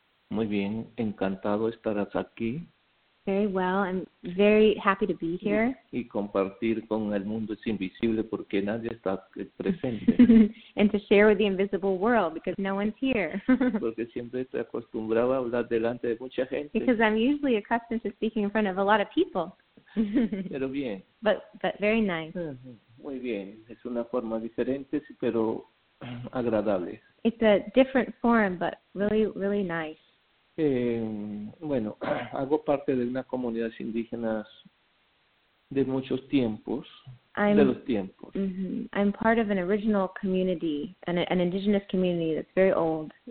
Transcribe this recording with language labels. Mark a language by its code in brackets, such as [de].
[es] Muy bien, encantado estar aquí. [en] Very well, I'm very happy to be here. [es] Y compartir con el mundo es invisible porque nadie está presente. [en] And to share with the invisible world because no one's here. [es] Porque siempre estoy acostumbrado a hablar delante de mucha gente. [en] Because I'm usually accustomed to speaking in front of a lot of people. [es] Pero bien. [en] But very nice. [es] Muy bien, es una forma diferente, pero agradable. [en] It's a different form, but really, really nice. [es] Bueno, hago parte de una comunidad indígena de muchos tiempos, de los tiempos. [en] Mm-hmm. I'm part of an original community, an indigenous community that's very old.